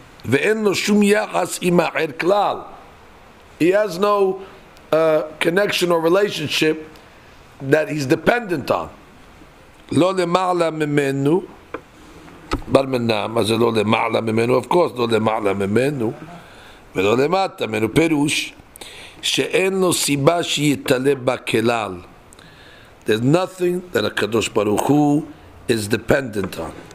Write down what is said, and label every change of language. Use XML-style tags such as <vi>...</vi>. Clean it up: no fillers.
<he>ואין לו שום יחס עם האחר כלל.</he> <en>He has no connection or relationship that he's dependent on.</en> <he>לא למעלה ממנו. בר מנם, אז זה לא למעלה ממנו,</he> <en>of course,</en> <he>לא למעלה ממנו, ולא למטה ממנו, פירוש, שאין לו סיבה שיתעלה בכלל.</he> <en>There's nothing that a Kadosh Baruch Hu is dependent on.</en>